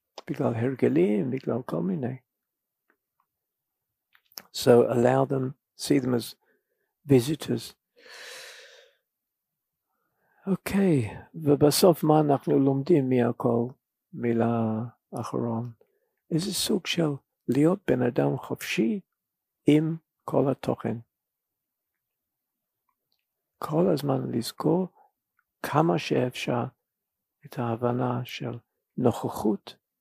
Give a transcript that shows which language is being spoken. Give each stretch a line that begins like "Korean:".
Hebrew: בגלל הרגלים, בגלל כל מיני.
English: So allow them, see them as visitors.
Hebrew: Okay, ובסוף מה אנחנו לומדים מהכל? מילה אחרון. איזה סוג של להיות בן אדם חופשי עם כל התוכן. כל הזמן לזכור כמה שאפשר את ההבנה של נוכחות.